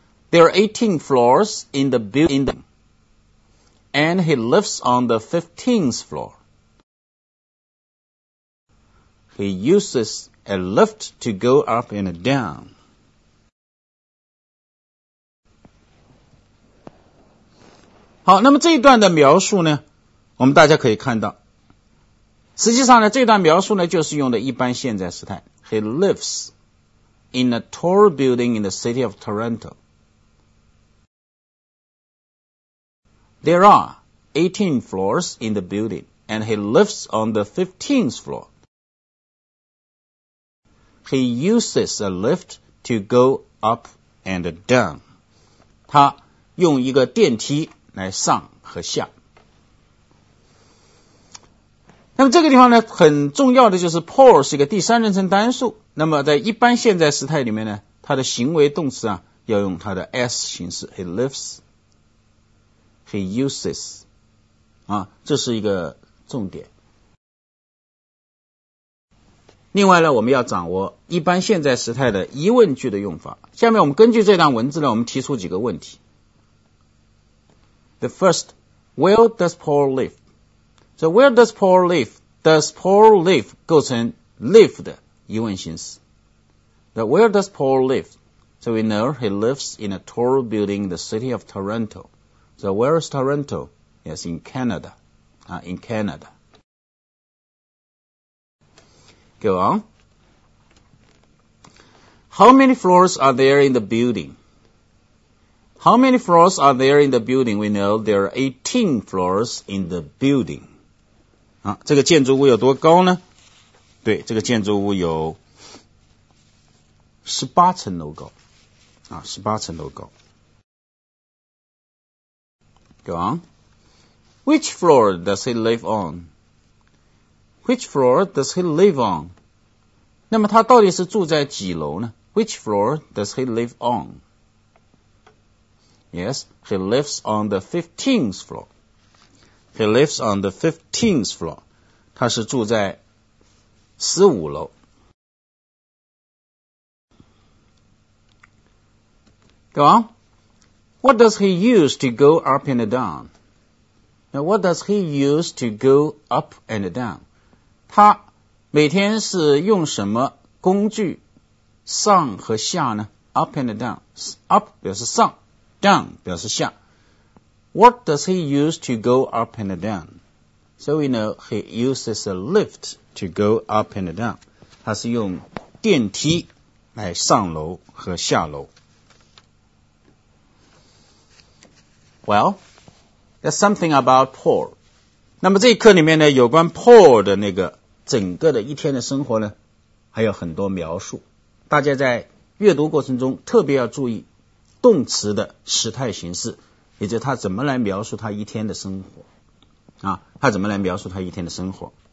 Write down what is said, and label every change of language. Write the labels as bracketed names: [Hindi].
[English] There are 18 floors in the building, and he lives on the 15th floor. He uses a lift to go up and down. [Chinese] 好，那么这一段的描述呢，我们大家可以看到，实际上呢，这段描述呢，就是用的一般现在时态。 [English] He lives in a tall building in the city of Toronto. There are 18 floors in the building, and he lives on the 15th floor. He uses a lift to go up and down. [Chinese] 他用一个电梯来上和下。那么这个地方呢，很重要的就是 Paul 是一个第三人称单数，那么在一般现在时态里面呢，他的行为动词啊要用他的 S 形式， [English] He lives, He uses, [Chinese] 啊，这是一个重点。另外呢，我们要掌握一般现在时态的疑问句的用法。下面我们根据这段文字呢，我们提出几个问题。 [English] The first, where does Paul live? So where does Paul live? Does Paul live [Chinese] 构成 live 的疑问形式。 [English] The where does Paul live? So we know he lives in a tall building in the city of Toronto. So where is Toronto? Yes, in Canada. In Canada. Go on. How many floors are there in the building? How many floors are there in the building? We know there are 18 floors in the building. [Chinese] 啊，这个建筑物有多高呢？对，这个建筑物有18层楼高。啊，18层楼高。 [English] Go on. Which floor does he live on? Which floor does he live on? [Chinese] 那么他到底是住在几楼呢？ [English] Which floor does he live on? Yes, he lives on the 15th floor. He lives on the 15th floor. [Chinese] 他是住在15楼。 [English] Go on. What does he use to go up and down? Now, what does he use to go up and down? [Chinese] 他每天是用什么工具上和下呢？ [English] Up and down. Up [Chinese] 表示上。 [English] Down [Chinese] 表示下。 [English] What does he use to go up and down? So we know he uses a lift to go up and down. [Chinese] 他是用电梯来上楼和下楼。 [English] Well, that's something about Paul. [Chinese] 那么这一课里面呢，有关 Paul 的那个整个的一天的生活呢，还有很多描述。大家在阅读过程中特别要注意动词的时态形式，也就是他怎么来描述他一天的生活啊，他怎么来描述他一天的生活。